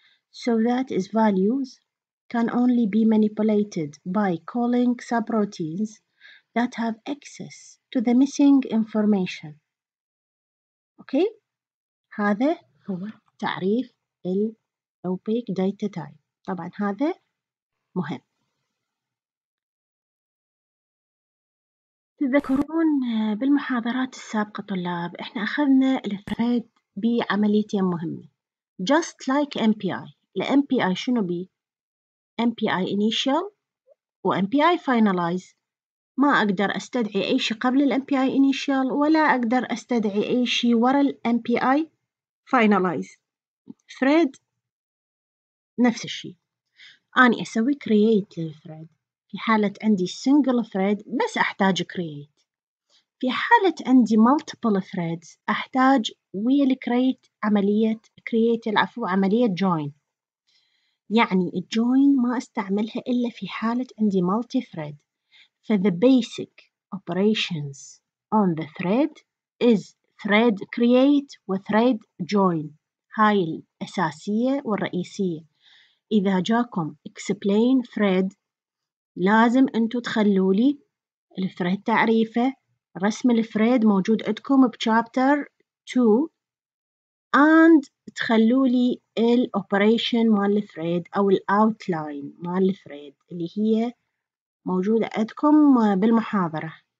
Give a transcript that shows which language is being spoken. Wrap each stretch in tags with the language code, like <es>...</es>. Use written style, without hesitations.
<en>So that is values can only be manipulated by calling subroutines that have access to the missing information. Okay?</en> <ar>هذا هو تعريف الـ opaque data type. طبعا هذا مهم. تذكرون بالمحاضرات السابقة طلاب احنا اخذنا الثريد بعمليتين مهمة.</ar> <en>Just like MPI.</en> <ar>الـ MPI شنو بي؟ MPI initial و MPI finalize. ما أقدر أستدعي أي شيء قبل الـ MPI initial ولا أقدر أستدعي أي شيء وراء الـ MPI finalize. thread نفس الشيء. أنا أسوي create للthread. في حالة عندي single thread بس أحتاج create. في حالة عندي multiple threads أحتاج will create عملية create العفو عملية join. يعني join ما أستعملها إلا في حالة عندي multi-thread.</ar> <en>For the basic operations on the thread is thread create و thread join.</en> <ar>هاي الأساسية والرئيسية. إذا جاكم explain thread لازم أنتوا تخلوا لي الثريد تعريفه. رسم الثريد موجود عندكم بشابتر 2 and تخلوا لي الoperation مال الثريد أو الoutline مال الثريد اللي هي موجودة عندكم بالمحاضرة.</ar>